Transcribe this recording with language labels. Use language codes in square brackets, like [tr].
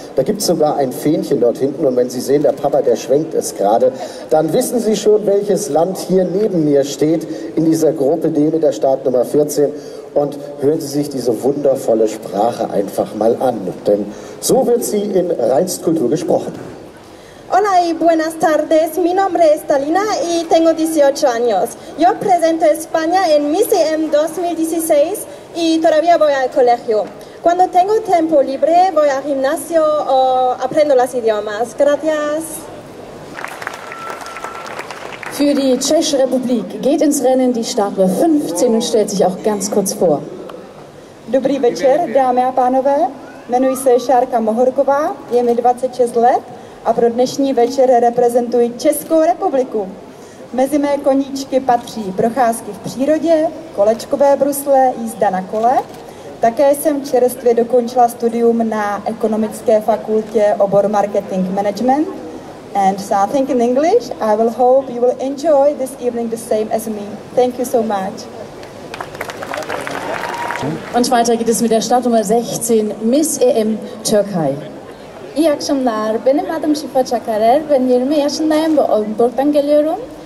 [de] Da gibt es sogar ein Fähnchen dort hinten und wenn Sie sehen, der Papa, der schwenkt es gerade, dann wissen Sie schon, welches Land hier neben mir steht, in dieser Gruppe D mit der Startnummer 14. Und hören Sie sich diese wundervolle Sprache einfach mal an, denn so wird sie in reinst Kultur gesprochen. [es] Hola y buenas tardes, mi nombre es Talina y tengo 18 años. Yo presento España en Miss EM 2016 y todavía voy al colegio. Cuando tengo tiempo libre voy al gimnasio o aprendo los idiomas. Gracias. [de] Für die Tschechische Republik geht ins Rennen die Startnummer 15 und stellt sich auch ganz kurz vor. [cs] Dobrý večer, dámy a pánové. Jmenuji se Šárka Mohorková, je mi 26 let a pro dnešní večer reprezentuji Českou republiku. Mezi mé koníčky patří procházky v přírodě, kolečkové brusle, jízda na kole. Také jsem čerstvě dokončila studium na ekonomické fakultě obor marketing management. [en] And so I think in English, I will hope you will enjoy this evening the same as me. Thank you so much. [de] Und weiter geht es mit der Startnummer 16, Miss EM Türkei. [tr] İyi akşamlar, benim adım Şifa Çakarer, ben 20 yaşındayım ve Oldenburg'dan geliyorum.